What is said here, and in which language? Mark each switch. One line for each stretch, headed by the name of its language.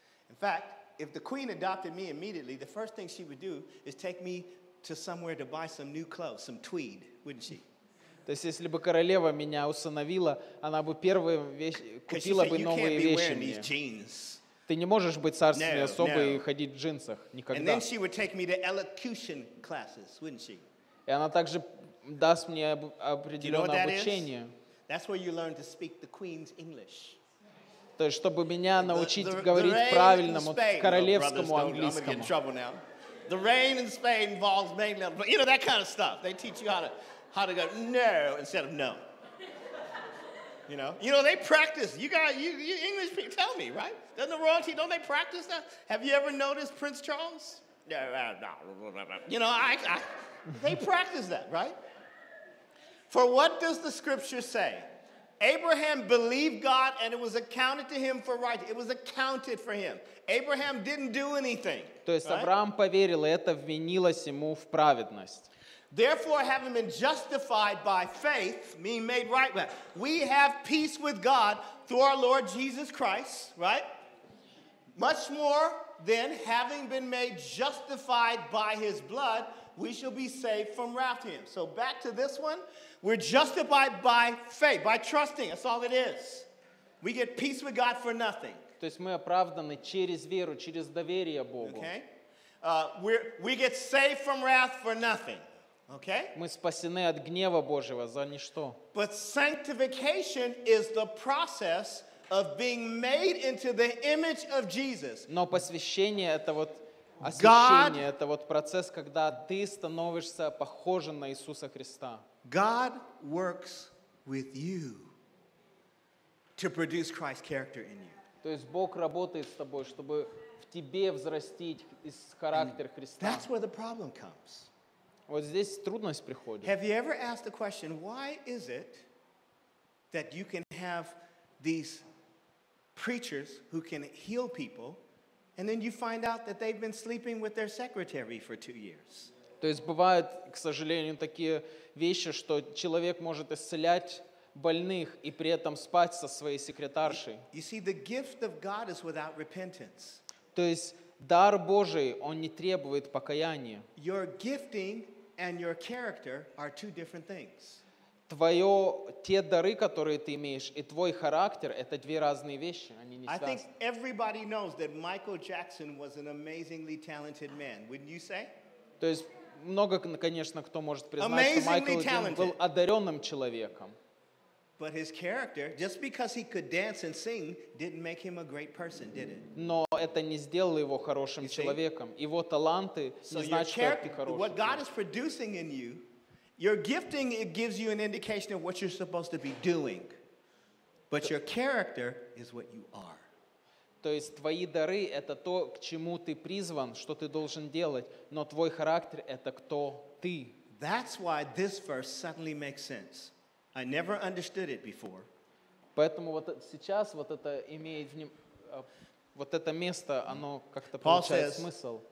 English: In fact, if the queen adopted me immediately, the first thing she would do is take me to somewhere to buy some new clothes, some tweed, wouldn't she?
Russian: То есть, если бы королева меня усыновила, она бы первую вещь купила бы новые вещи мне. Ты не можешь быть царственной особой и ходить в джинсах никогда.
English: And then she would take me to elocution classes, wouldn't she?
Russian: И она также даст мне определенное обучение.
English: That's where you learn to speak the queen's English.
Russian: То есть, чтобы меня научить говорить правильному королевскому английскому.
English: The reign in Spain involves mainly, you know, that kind of stuff. They teach you how to go no instead of no. You know, they practice. You English people, tell me, right? Doesn't the royalty, don't they practice that? Have you ever noticed Prince Charles? They practice that, right? For what does the scripture say? Abraham believed God and it was accounted to him for righteousness. It was accounted for him. Abraham didn't do anything.
Russian: То есть Авраам поверил, и это вменилось ему в праведность.
English: Therefore, having been justified by faith, being made right with, we have peace with God through our Lord Jesus Christ, right? Much more than having been made justified by his blood, we shall be saved from wrath to him. So back to this one, we're justified by faith, by trusting. That's all it is. We get peace with God for nothing.
Russian: То есть мы оправданы через веру, через доверие Богу.
English: Okay? We get saved from wrath for nothing. Okay?
Russian: Мы спасены от гнева Божьего за ничто.
English: But sanctification is the process of being made into the image of Jesus.
Russian: Но посвящение это вот освящение, это вот процесс, когда ты становишься похожим на Иисуса Христа.
English: God works with you to produce Christ's character in you.
Russian: То есть Бог работает с тобой, чтобы в тебе взрастить характер Христа.
English: That's where the problem comes.
Russian: Вот здесь трудность приходит.
English: Have you ever asked the question, why is it that you can have these preachers who can heal people, and then you find out that they've been sleeping with their secretary for 2 years?
Russian: То есть бывают, к сожалению, такие вещи, что человек может исцелять больных и при этом спать со своей секретаршей.
English: You see, the gift of God is without repentance.
Russian: То есть дар Божий, он не требует покаяния.
English: Your gifting and your character are two different things.
Russian: Твое, те дары, которые ты имеешь, и твой характер, это две разные вещи, они не связаны.
English: I think everybody knows that Michael Jackson was an amazingly talented man, wouldn't you say?
Russian: То есть много, конечно, кто может признать, что Майкл Джексон был одаренным человеком.
English: But his character, just because he could dance and sing, didn't make him a great person, did it?
Russian: Но это не сделало его хорошим человеком. Его таланты не значит, что ты хороший человек.
English: What God is producing in you, your gifting, it gives you an indication of what you're supposed to be doing. But your character is what you are.
Russian: То есть твои дары — это то, к чему ты призван, что ты должен делать. Но твой характер — это кто ты.
English: That's why this verse suddenly makes sense. I never understood it before.
Russian: Поэтому вот сейчас вот это имеет вот это место, оно как-то получает смысл.